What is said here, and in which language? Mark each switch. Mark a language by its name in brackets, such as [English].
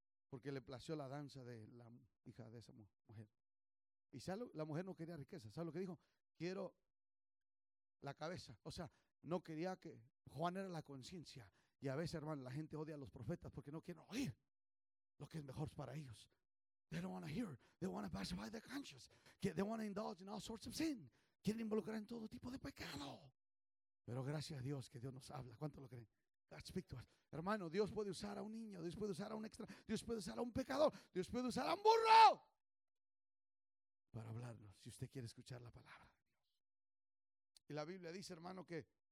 [Spanish] Porque le plació la danza de la hija de esa mujer. Y la mujer no quería riqueza. ¿Sabes lo que dijo? Quiero la cabeza. O sea, no quería que Juan era la conciencia. Y a veces, hermano, la gente odia a los profetas porque no quieren oír lo que es mejor para ellos. [English] They don't want to hear. They want to pacify their conscience. They want to indulge in all sorts of sin. [Spanish] Quieren involucrar en todo tipo de pecado. Pero gracias a Dios que Dios nos habla. ¿Cuánto lo creen? [English] God speak to us. [Spanish] Hermano, Dios puede usar a un niño, Dios puede usar a un extra, Dios puede usar a un pecador, Dios puede usar a un burro para hablarnos, si usted quiere escuchar la palabra de Dios. Y la Biblia dice, hermano, que